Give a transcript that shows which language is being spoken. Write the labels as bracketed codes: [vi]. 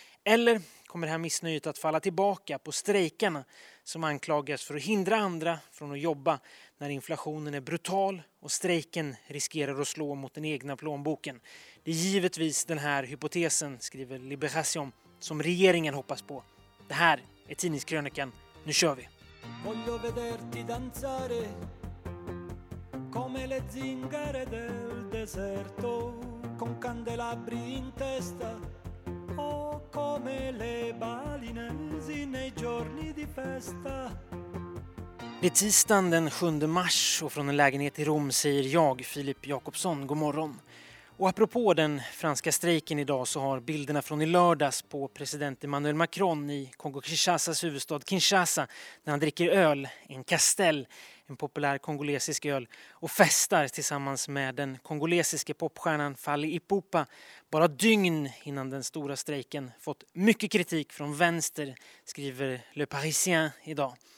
[sv] Eller kommer det här missnöjet att falla tillbaka på strejkarna som anklagas för att hindra andra från att jobba när inflationen är brutal och strejken riskerar att slå mot den egna plånboken? Det är givetvis den här hypotesen, skriver Libération, som regeringen hoppas på. Det här är tidningskrönikan. Nu kör vi! [it] Voglio vederti danzare come le zingare del deserto con candelabri in testa. Oh, come le balinesi nei giorni di festa. [sv] Det är tisdagen den 7 mars och från en lägenhet i Rom säger jag, Filip Jakobsson, god morgon. Och apropå den franska strejken idag så har bilderna från i lördags på president Emmanuel Macron i Kongo-Kinshasas huvudstad Kinshasa när han dricker öl, en Castel, en populär kongolesisk öl, och festar tillsammans med den kongolesiske popstjärnan Fally Ipupa bara dygn innan den stora strejken fått mycket kritik från vänster, skriver Le Parisien idag.